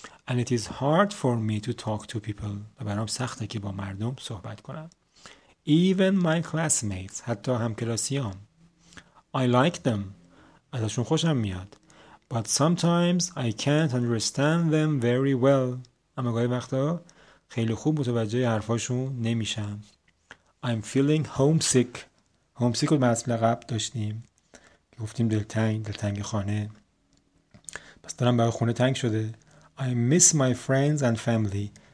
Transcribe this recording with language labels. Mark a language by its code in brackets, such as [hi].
[en] And it is hard for me to talk to people. [fa] و برام سخته که با مردم صحبت کنم. [en] Even my classmates. [fa] حتی همکلاسیام. [en] I like them. [fa] ازشون خوشم میاد. [en] But sometimes I can't understand them very well. [fa] اما گاهی وقتا خیلی خوب متوجه حرفاشون نمیشم. [en] I'm feeling homesick. [fa] Homesick رو به اصل قبل داشتیم. گفتیم دلتنگ، دلتنگ خانه. پس دارم برای خونه تنگ شده. [en] I miss my friends and family.